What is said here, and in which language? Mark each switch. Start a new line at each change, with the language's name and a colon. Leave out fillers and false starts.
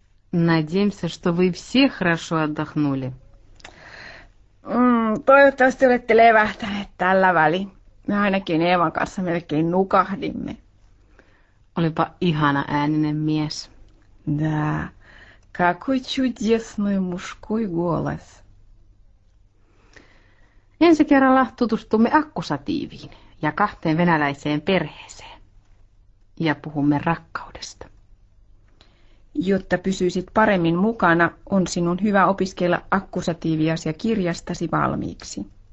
Russian: Надеемся, что вы все хорошо отдохнули.
Finnish: Toivottavasti olette левähtäneet tällä välin. Me ainakin Eevan kanssa melkein nukahdimme. Olipa ihana ääninen mies.
Russian: Да, какой чудесный мужской голос.
Finnish: Ensi kerralla tutustumme akkusatiiviin. Ja kahteen venäläiseen perheeseen. Ja puhumme rakkaudesta. Jotta pysyisit paremmin mukana, on sinun hyvä opiskella akkusatiiviasia kirjastasi valmiiksi.